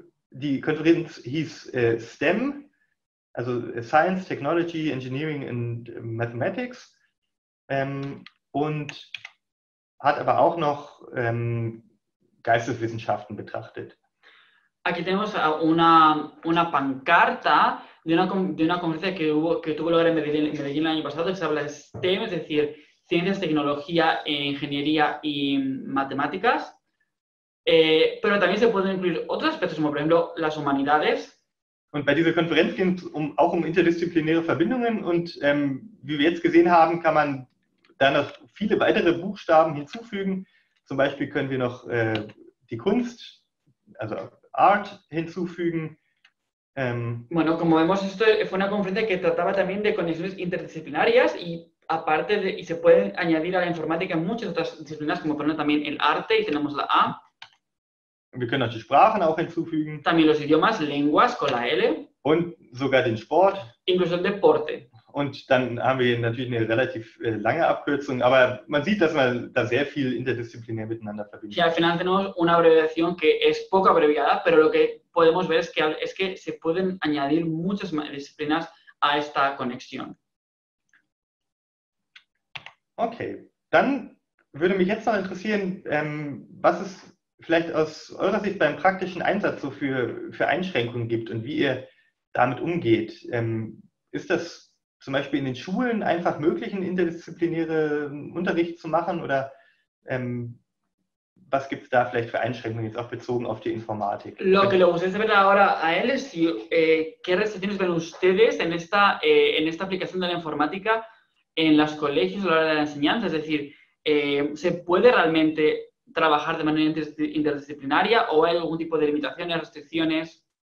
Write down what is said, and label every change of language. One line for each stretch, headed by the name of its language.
German: Die Konferenz hieß STEM, also
English: Science, Technology, Engineering and Mathematics.
German: Und hat aber auch noch Geisteswissenschaften betrachtet.
Spanish: Aquí tenemos una pancarta de una conferencia que tuvo lugar en Medellín el año pasado, que se habla de STEM, es decir, ciencias, tecnología, ingeniería y matemáticas. Pero también se pueden incluir otros aspectos, como por ejemplo las humanidades.
German: Und bei dieser Konferenz ging es auch um interdisziplinäre Verbindungen und wie wir jetzt gesehen haben, kann man da noch viele weitere Buchstaben hinzufügen. Zum Beispiel können wir noch die Kunst, also Art, hinzufügen.
Spanish: Bueno, como vemos, esto fue una conferencia que trataba también de conexiones interdisciplinarias y aparte de, y se pueden añadir a la informática muchas otras disciplinas, como por ejemplo también el arte, y tenemos la A.
German: Wir können auch die Sprachen auch hinzufügen.
Spanish: También los idiomas, lenguas, con la L.
German: Und sogar den Sport.
Spanish: Incluso el deporte.
German: Und dann haben wir natürlich eine relativ lange Abkürzung, aber man sieht, dass man da sehr viel interdisziplinär miteinander verbindet.
Spanish: Sí, al final tenemos una abreviación que es poco abreviada, pero lo que podemos ver es que se pueden añadir muchas disciplinas a esta conexión.
German: Okay, dann würde mich jetzt noch interessieren, was es vielleicht aus eurer Sicht beim praktischen Einsatz so für Einschränkungen gibt und wie ihr damit umgeht. Ist das zum Beispiel in den Schulen einfach möglich, einen interdisziplinären Unterricht zu machen? Oder was gibt es da vielleicht für Einschränkungen, jetzt auch bezogen auf die Informatik?
Spanish: Lo que le gustaría saber ahora a él es si, qué restricciones ven ustedes en esta aplicación de la informática en los colegios a la hora de la enseñanza. Es decir, ¿se puede realmente trabajar de manera interdisciplinaria o hay algún tipo de limitaciones, restricciones?